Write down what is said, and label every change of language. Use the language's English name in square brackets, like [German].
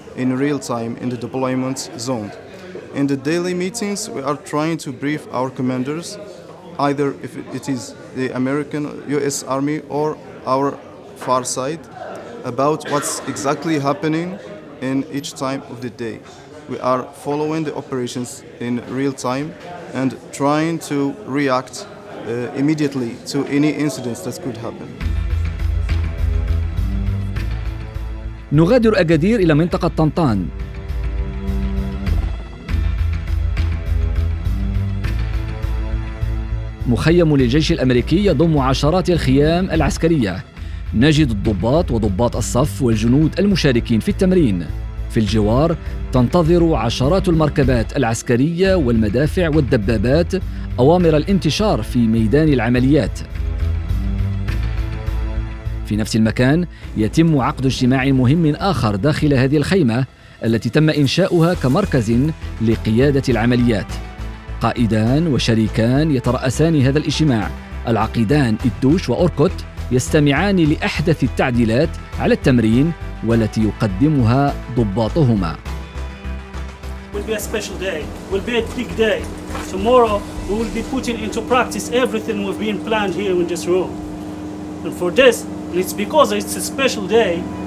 [English] in real time in the deployment zone. In the daily meetings, we are trying to brief our commanders, either if it is the American US Army or our far side, about what's exactly happening in each time of the day. We are following the operations in real time and trying to react immediately to any incidents that could happen. [Arabic] نغادر أكادير إلى منطقة طنطان. مخيم للجيش الأمريكي يضم عشرات الخيام العسكرية. نجد الضباط وضباط الصف والجنود المشاركين في التمرين. في الجوار تنتظر عشرات المركبات العسكرية والمدافع والدبابات أوامر الانتشار في ميدان العمليات. في نفس المكان يتم عقد اجتماع مهم آخر داخل هذه الخيمة التي تم إنشاؤها كمركز لقيادة العمليات. قائدان وشريكان يترأسان هذا الاجتماع، العقيدان إدوش وأوركوت، يستمعان لأحدث التعديلات على التمرين والتي يقدمها ضباطهما. [English] Will be a special day. Will be a big day. Tomorrow we will be putting into practice everything we've been planned here in this room. And for this, it's because it's a special day.